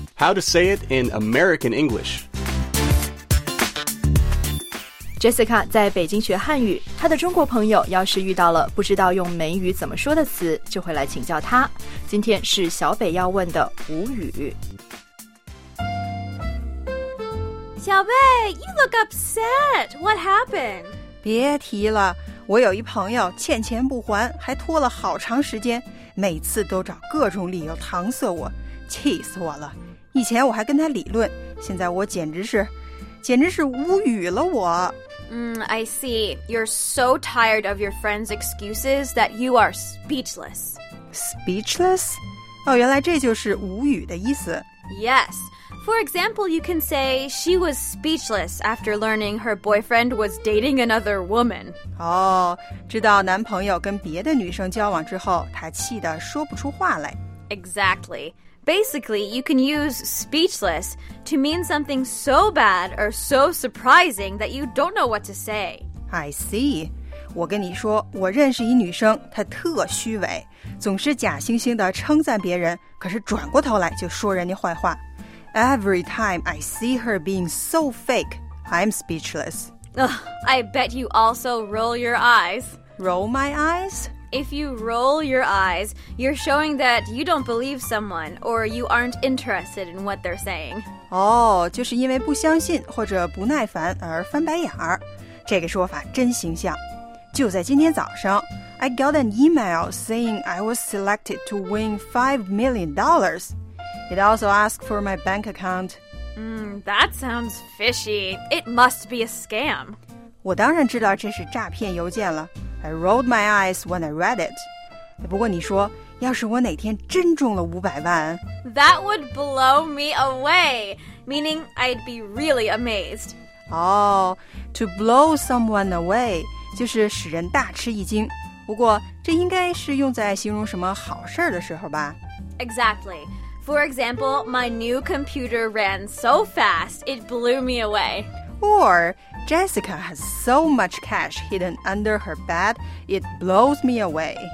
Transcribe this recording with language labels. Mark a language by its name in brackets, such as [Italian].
[English] How to say it in American English [Chinese] Jessica 在北京学汉语，她的中国朋友要是遇到了不知道用美语怎么说的词，就会来请教她。今天是小北要问的无语。 [English] 小北 you look upset. What happened? [Chinese] 别提了，我有一朋友欠钱不还，还拖了好长时间，每次都找各种理由搪塞我，气死我了。以前我还跟他理论，现在我简直是无语了我。 [English] I see. You're so tired of your friend's excuses that you are speechless. Speechless? [Chinese] 哦，原来这就是无语的意思。 [English] Yes. For example, you can say she was speechless after learning her boyfriend was dating another woman. [Chinese] 哦，知道男朋友跟别的女生交往之后，她气得说不出话来。 [English] Exactly. Basically, you can use speechless to mean something so bad or so surprising that you don't know what to say. I see. [Chinese] 我跟你说，我认识一女生，她特虚伪，总是假惺惺地称赞别人，可是转过头来就说人家坏话。 [English] Every time I see her being so fake, I'm speechless. Ugh, I bet you also roll your eyes. Roll my eyes? If you roll your eyes, you're showing that you don't believe someone or you aren't interested in what they're saying. [Chinese] 哦，就是因为不相信或者不耐烦而翻白眼儿。这个说法真形象。就在今天早上 [English] I got an email saying I was selected to win $5 million. It also asked for my bank account. That sounds fishy. It must be a scam. [Chinese] 我当然知道这是诈骗邮件了。 [English] I rolled my eyes when I read it. [Chinese] 不过你说，要是我哪天真中了500万 [English] That would blow me away. Meaning, I'd be really amazed. Oh, to blow someone away [Chinese] 就是使人大吃一惊。不过这应该是用在形容什么好事的时候吧。 [English] Exactly. For example, my new computer ran so fast, it blew me away. Or, Jessica has so much cash hidden under her bed, it blows me away.